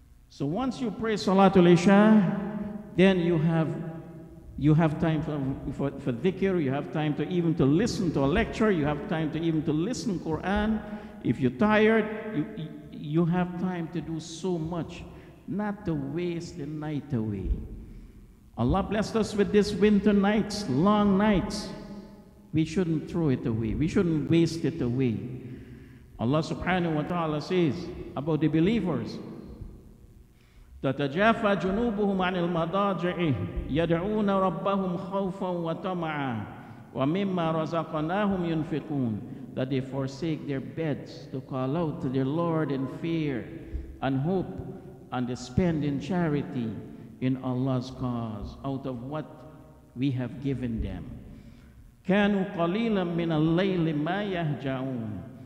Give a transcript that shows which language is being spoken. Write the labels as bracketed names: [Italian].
[English] So once you pray Salatul Isha, then you have time for dhikr, you have time to even to listen to a lecture, you have time to even to listen Quran. If you're tired, you have time to do so much, not to waste the night away. Allah blessed us with this winter nights, long nights. We shouldn't throw it away. We shouldn't waste it away. [Arabic] Allah subhanahu wa ta'ala [English] says about the believers, [Arabic] تَتَجَافَ جُنُوبُهُمْ عَنِ الْمَضَاجِعِ يَدْعُونَ رَبَّهُمْ خَوْفًا وَطَمَعًا وَمِمَّا رَزَقَنَاهُمْ يُنْفِقُونَ. [English] That they forsake their beds to call out to their Lord in fear and hope, and spend in charity in Allah's cause out of what we have given them. [Arabic] كَانُوا قَلِيلًا مِنَ اللَّيْلِ مَا يَهْجَعُونَ.